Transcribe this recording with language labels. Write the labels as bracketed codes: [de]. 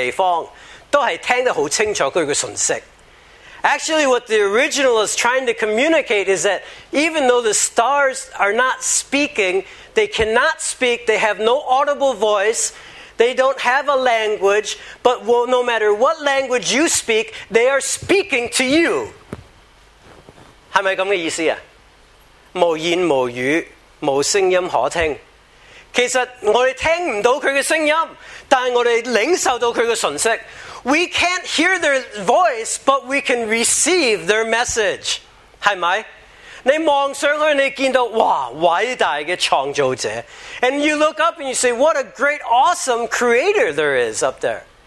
[zh] 它的意思就是说,虽然它没出声,虽然它不懂说话,但是它的声音是所有的言语,所有的地方,都是听得很清楚它的讯息。 [en] Actually, what the original is trying to communicate is that even though the stars are not speaking, they cannot speak, they have no audible voice, they don't have a language, but no matter what language you speak, they are speaking to you. [zh] 是不是这样的意思?无言无语,无声音可听. 其实我们听不到它的声音,但是我们领受到它的讯息。 [en] We can't hear their voice, but we can receive their message. [zh] 是不是? 你望上去,你见到,哇,伟大的创造者. [en] And you look up and you say, what a great, awesome creator there is up there.